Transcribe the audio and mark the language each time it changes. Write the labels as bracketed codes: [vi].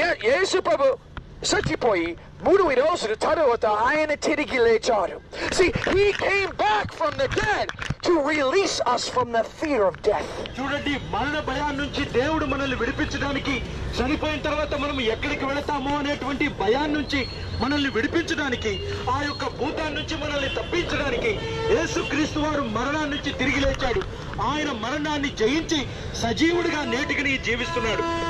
[te] యేసు ప్రభు చచ్చిపోయి 3 రోజుల తర్వాత ఆయన తిరిగి లేచారు. [en] See, he came back from the dead. to release us from the fear of death. [te] చూడండి మరణ భయం నుంచి దేవుడు మనల్ని విడిపించడానికి చనిపోయిన తర్వాత మనం ఎక్కడికి వెళ్తామో అనేటువంటి భయం నుంచి మనల్ని విడిపించడానికి ఆ యొక్క భూతాన్ని నుంచి మనల్ని తప్పించడానికి యేసుక్రీస్తు వారు మరణం నుంచి తిరిగి లేచాడు. ఆయన మరణాన్ని జయించి సజీవుడిగా నేటికి జీవిస్తున్నాడు.